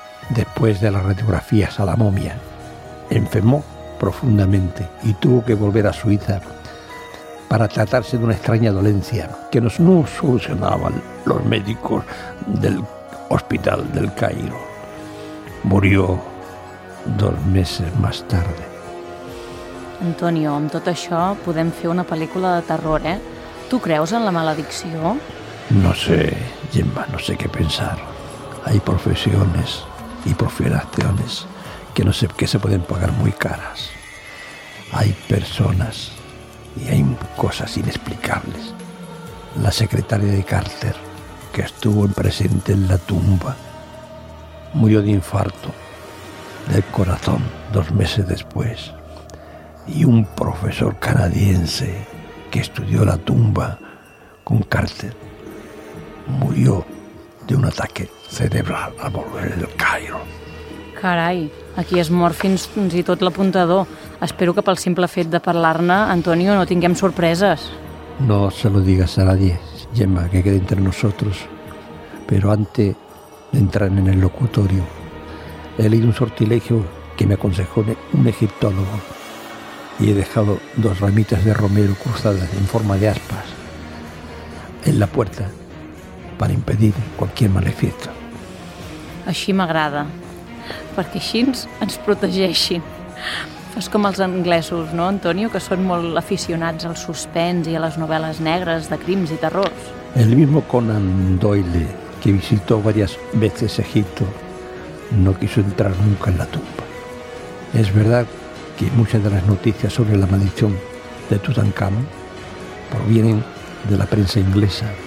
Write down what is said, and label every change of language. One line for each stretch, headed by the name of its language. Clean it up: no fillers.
Spanish: Después de las radiografías a la momia, enfermó profundamente y tuvo que volver a Suiza para tratarse de una extraña dolencia que no solucionaban los médicos del hospital del Cairo. Murió 2 meses más tarde.
Catalan: Antonio, amb tot això podem fer una pel·lícula de terror, eh?
Spanish: ¿Tú crees en la maledicción? No sé, Gemma, no sé qué pensar. Hay profesiones y profesiones que no sé, que se pueden pagar muy caras. Hay personas y hay cosas inexplicables. La secretaria de Carter, que estuvo presente en la tumba, murió de infarto del corazón 2 meses después. Y un profesor canadiense que estudió la tumba con Carter murió de un ataque cerebral al volver del Cairo.
Catalan: Carai, aquí es mort fins i tot l'apuntador. Espero que pel simple fet de parlar-ne, Antonio, no tinguem sorpreses.
Spanish: No se lo digas a nadie, Gemma, que quede entre nosotros. Pero antes de entrar en el locutorio, he leído un sortilegio que me aconsejó un egiptólogo y he dejado 2 ramitas de romero cruzadas en forma de aspas en la puerta para impedir cualquier malefacte.
Catalan: Així m'agrada, perquè així ens protegeixin. Fas com els anglesos, no, Antonio? Que són molt aficionats al suspens i a les novel·les negres de crims i terrors.
Spanish: El mismo Conan Doyle, que visitó varias veces Egipto, no quiso entrar nunca en la tumba. Es verdad que muchas de las noticias sobre la maldición de Tutankamón provienen de la prensa inglesa.